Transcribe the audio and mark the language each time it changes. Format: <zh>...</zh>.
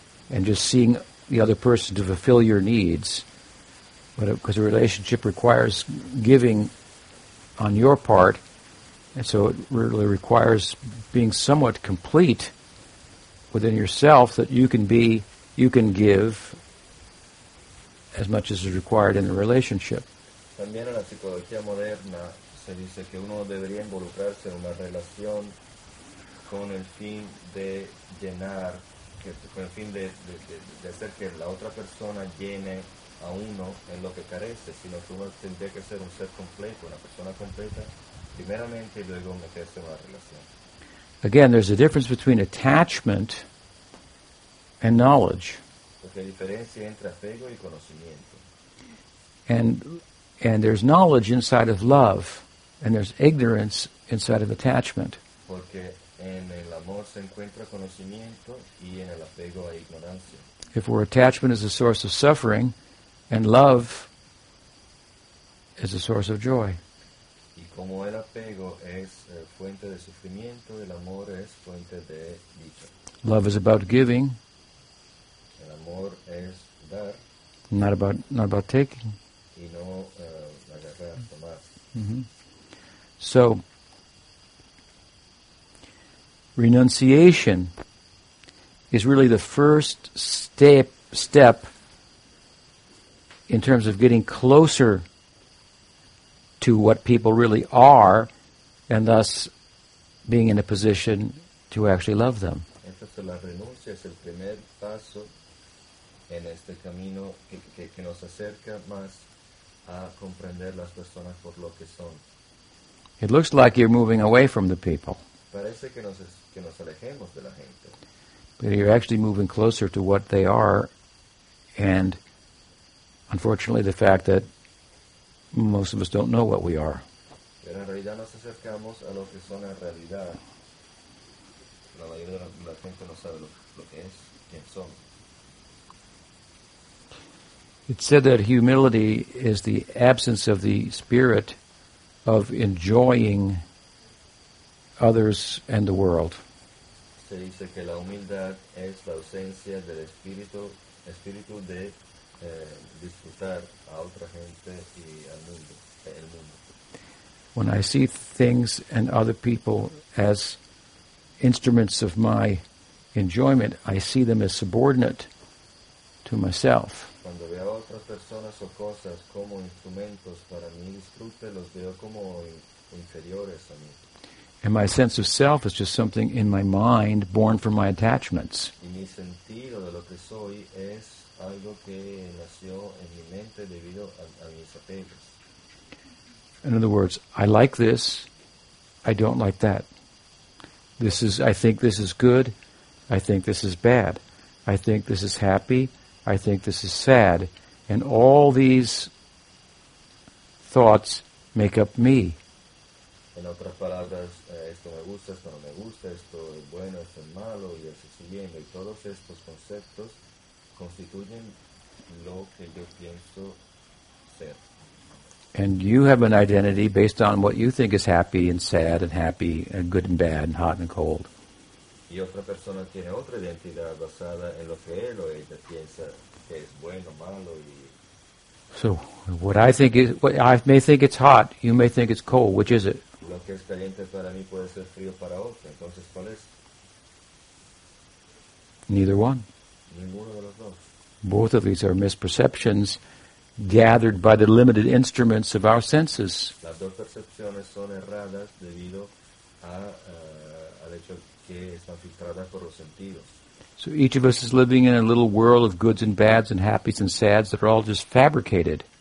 <en>and just seeing the other person to fulfill your needs, but because a relationship requires giving on your part, and so it really requires being somewhat complete within yourself, that you can give as much as is required in a relationship.</en> <es>También en la psicología moderna se dice que uno debería involucrarse en una relación con el fin de llenar, con el fin de hacer que la otra persona llene a uno en lo que carece, sino que uno tendría que ser un ser completo, una persona completa, primeramente y luego meterse en una relación.</es> <en>Again, there's a difference between attachment and knowledge.</en> <es>Porque hay diferencia entre apego y conocimiento.</es> <en>And there's knowledge inside of love, and there's ignorance inside of attachment.</en> <es>Porque en el amor se encuentra conocimiento y en el apego hay ignorancia.</es> <en>If our attachment is a source of suffering, and love is a source of joy.</en> <es>Y como el apego es fuente de sufrimiento, el amor es fuente de dicha.</es> <en>Love is about giving.</en> <es>El amor es dar.</es> <en>Not about taking.</en> <es>Y no agarrar, tomar. Mm-hmm.</es> <en>So, renunciation is really the first step in terms of getting closer to what people really are, and thus being in a position to actually love them.</en> <es>Entonces, la renuncia es el primer paso en este camino que nos acerca más a comprender las personas por lo que son.</es> <en>It looks like you're moving away from the people.</en> <es>Parece que nos alejemos de la gente.</es> <en>But you're actually moving closer to what they are, and unfortunately the fact that most of us don't know what we are.</en> <es>Pero en realidad nos acercamos a lo que son en realidad. La mayoría de la gente no sabe lo que es, quién son.</es> <en>It said that humility is the absence of the spirit of enjoying others and the world.</en> <es>Se dice que la humildad es la ausencia del espíritu de disfrutar a otra gente y al mundo, el mundo.</es> <en>When I see things and other people as instruments of my enjoyment, I see them as subordinate to myself.</en> <es>Cuando veo a otras personas o cosas como instrumentos para mi disfrute, los veo como inferiores a mí.</es> <en>And my sense of self is just something in my mind born from my attachments.</en> <es>Y mi sentido de lo que soy es algo que nació en mi mente debido a mis apegos.</es> <en>In other words, I like this, I don't like that. I think this is good, I think this is bad. I think this is happy, I think this is sad. And all these thoughts make up me.</en> <es>En otras palabras, esto me gusta, esto no me gusta, esto es bueno, esto es malo, y así siguiendo. Y todos estos conceptos constituyen lo que yo pienso ser.</es> <en>And you have an identity based on what you think is happy and sad and happy and good and bad and hot and cold.</en> <es>Y otra persona tiene otra identidad basada en lo que él o ella piensa que es bueno, malo y...</es> <en>So, what I think is, what I may think it's hot, you may think it's cold, which is it?</en> <es>Lo que es caliente para mí puede ser frío para otro. Entonces, ¿cuál es?</es> <en>Neither one.</en> <es>Ninguno de los dos.</es> <en>Both of these are misperceptions gathered by the limited instruments of our senses.</en> <es>Las dos percepciones son erradas debido a, al hecho que están filtradas por los sentidos.</es> <en>So each of us is living in a little world of goods and bads and happies and sads that are all just fabricated.</en>